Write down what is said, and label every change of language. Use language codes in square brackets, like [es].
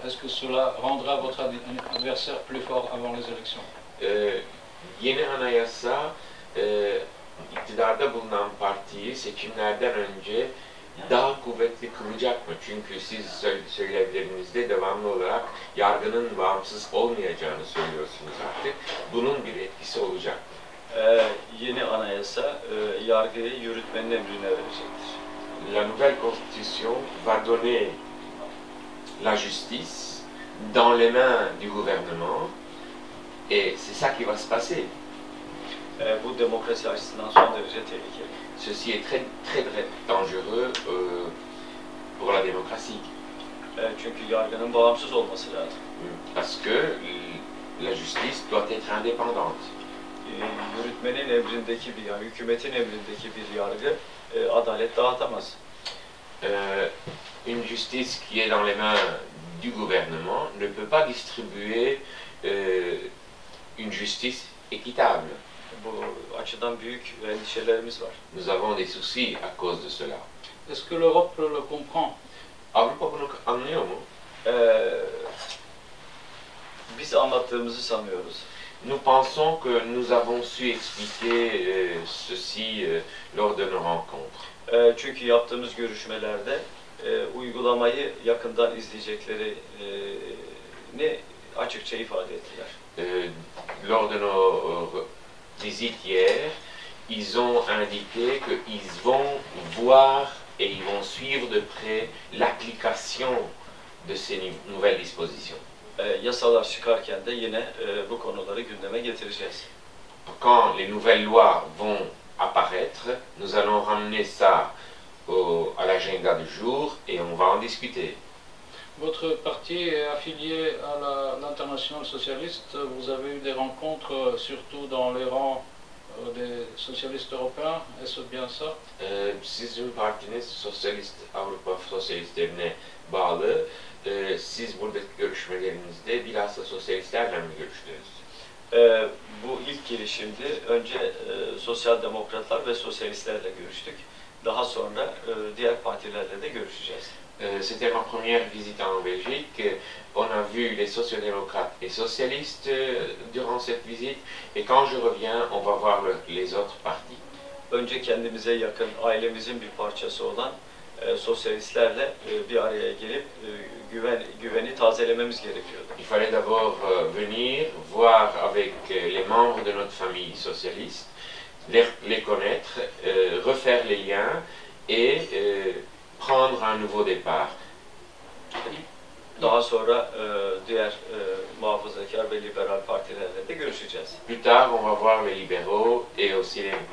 [fr] Est-ce que cela rendra votre adversaire plus fort avant les élections? [tr] Yeni anayasa, iktidarda bulunan partiyi seçimlerden önce daha kuvvetli kılacak mı? Çünkü siz söylediklerinizde devamlı olarak yargının bağımsız olmayacağını söylüyorsunuz artık. Bunun bir etkisi olacak mı? Yeni anayasa yargıyı yürütmenin emrini verecektir. [fr] La nouvelle constitution va donner la justice dans les mains du gouvernement et c'est ça qui va se passer. [tr] Bu demokrasi açısından son derece tehlikeli. [fr] Ceci est très très très dangereux pour la démocratie. [tr] Çünkü yargının bağımsız olması lazım. [fr] Parce que la justice doit être indépendante. [tr] Yürütmenin emrindeki bir yargı, hükümetin emrindeki bir yargı adalet dağıtamaz. [fr] Une justice qui est dans les mains du gouvernement ne peut pas distribuer une justice équitable. [tr] Bu açıdan büyük endişelerimiz var. [fr] Nous avons des soucis à cause de cela. Est-ce que l'Europe le comprend? [tr] Avrupa bunu anlıyor mu? Biz anlattığımızı sanıyoruz. [fr] Nous pensons que nous avons su expliquer ceci lors de nos rencontres. [tr] Çünkü yaptığımız görüşmelerde uygulamayı yakından izleyeceklerini açıkça ifade ettiler. [fr] Lors de nos visites hier, ils ont indiqué qu'ils vont voir et ils vont suivre de près l'application de ces nouvelles dispositions. [tr] Yasalar çıkarken de yine bu konuları gündeme getireceğiz. [fr] Quand les nouvelles lois vont apparaître, nous allons ramener ça à l'agenda du jour et on va en discuter. Votre parti est affilié à l'International Socialiste. Vous avez eu des rencontres, surtout dans les rangs des socialistes européens. Est-ce bien ça? [tr] Sizin partiniz Sosyalist Avrupa Sosyalistlerine bağlı. Siz buradaki görüşmelerinizde bilhassa sosyalistlerle mi görüştünüz? Bu ilk girişimdi. Önce sosyal demokratlar ve sosyalistlerle görüştük. Daha sonra diğer partilerle de görüşeceğiz. [fr] C'était ma première visite en Belgique. On a vu les sociodémocrates et socialistes durant cette visite. Et quand je reviens, on va voir les autres partis. [tr] Önce kendimize yakın, ailemizin bir parçası olan sosyalistlerle bir araya gelip güveni tazelememiz gerekiyordu. [fr] Il fallait d'abord venir voir avec les membres de notre famille socialiste, les connaître, refaire les liens et prendre un nouveau départ. [tr] Daha sonra diğer muhafazakar ve liberal partilerle de görüşeceğiz. [fr] Plus tard, on va voir les libéraux et aussi